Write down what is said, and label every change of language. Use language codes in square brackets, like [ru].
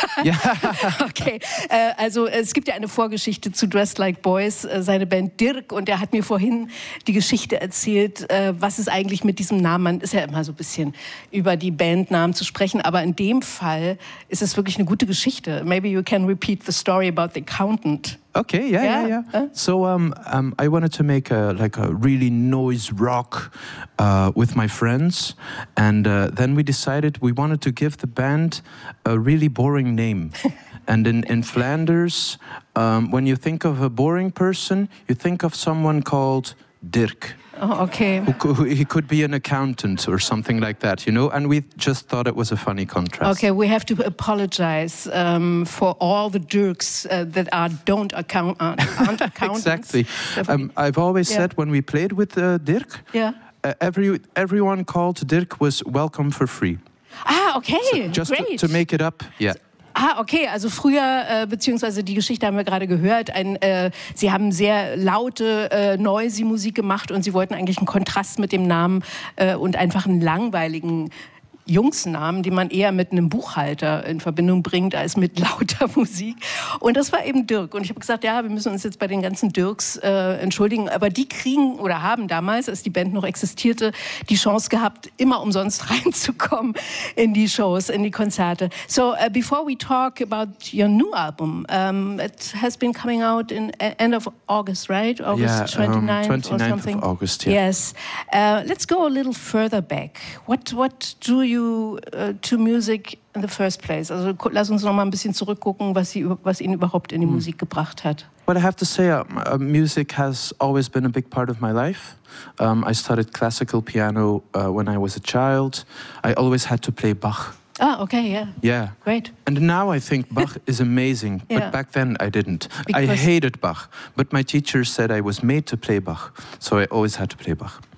[en] Yeah. [de] Okay, also es gibt ja eine Vorgeschichte zu Dressed Like Boys, seine Band Dirk, und er hat mir vorhin die Geschichte erzählt, was ist eigentlich mit diesem Namen. Man ist ja immer so ein bisschen über die Bandnamen zu sprechen, aber in dem Fall ist es wirklich eine gute Geschichte. [en] Maybe you can repeat the story about the accountant. Okay, yeah. So I wanted to make a really noise rock with my friends. And then we decided we wanted to give the band a really boring name. And in Flanders, when you think of a boring person, you think of someone called Dirk. Oh, okay. He could be an accountant or something like that, you know? And we just thought it was a funny contrast. Okay, we have to apologize for all the Dirks that aren't accountants. Exactly. I've always said when we played with Dirk, everyone called Dirk was welcome for free. Ah, okay, so great. Just to make it up, yeah. So, [de] ah, okay, also früher, beziehungsweise die Geschichte haben wir gerade gehört, sie haben sehr laute, noisy Musik gemacht und sie wollten eigentlich einen Kontrast mit dem Namen und einfach einen langweiligen Jungsnamen, den man eher mit einem Buchhalter in Verbindung bringt, als mit lauter Musik. Und das war eben Dirk. Und ich habe gesagt, ja, wir müssen uns jetzt bei den ganzen Dirks entschuldigen. Aber die kriegen oder haben damals, als die Band noch existierte, die Chance gehabt, immer umsonst reinzukommen in die Shows, in die Konzerte. [en] So, before we talk about your new album, it has been coming out in end of August, right? August 29th. Yeah. Yes. Let's go a little further back. What drew you to music in the first place? [de] Also lass uns noch mal ein bisschen zurückgucken, was ihn überhaupt in die Musik gebracht hat. [en] Well, I have to say, music has always been a big part of my life. I started classical piano when I was a child. I always had to play Bach. Ah, okay, yeah. Yeah. Great. And now I think Bach is amazing, but back then I didn't. Because I hated Bach, but my teacher said I was made to play Bach, so I always had to play Bach.